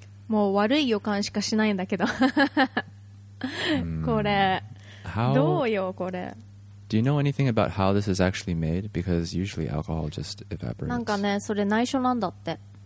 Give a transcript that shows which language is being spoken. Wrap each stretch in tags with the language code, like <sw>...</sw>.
<ja>もう悪い予感しかしないんだけど。これ。どうよこれ。</ja> <en>Do you know anything about how this is actually made? Because usually alcohol just evaporates.</en> <ja>なんかね、それ内緒なんだって。</ja>